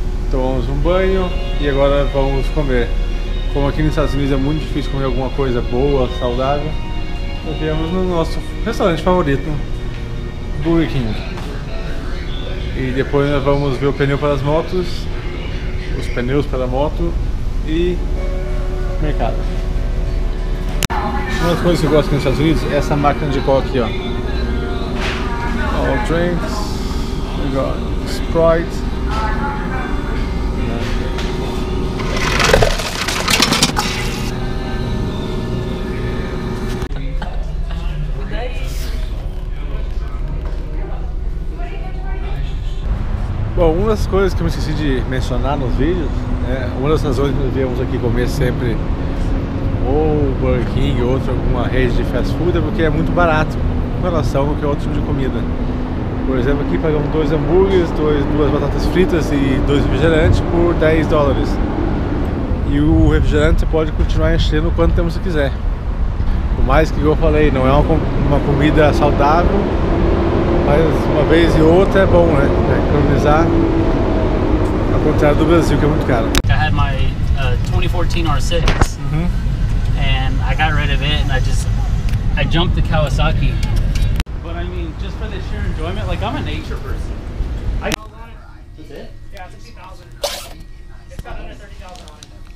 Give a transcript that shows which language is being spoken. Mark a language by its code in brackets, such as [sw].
[pt] Tomamos um banho e agora vamos comer. Como aqui nos Estados Unidos é muito difícil comer alguma coisa boa, saudável, nós viemos no nosso restaurante favorito, Burger King. E depois nós vamos ver o pneu para as motos, os pneus para a moto e mercado. Uma das coisas que eu gosto aqui nos Estados Unidos é essa máquina de pau aqui, ó. [en] All drinks, we got Sprite. [pt] Bom, uma das coisas que eu me esqueci de mencionar nos vídeos, né, uma das razões que nós viemos aqui comer sempre ou Burger King ou outra, alguma rede de fast food, é porque é muito barato em relação ao que é outro tipo de comida. Por exemplo, aqui pagamos dois hambúrgueres, duas batatas fritas e dois refrigerantes por 10 dólares. E o refrigerante você pode continuar enchendo o quanto tempo você quiser. Por mais que eu falei, não é uma comida saudável, mas uma vez e outra é bom, né? É economizar, ao contrário do Brasil, que é muito caro. [en] I had my 2014 R6, and I got rid of it, and I jumped the Kawasaki. But I mean, just for the sheer enjoyment, like, I'm a nature person. That's it? Yeah, $60,000. It's got under $30,000.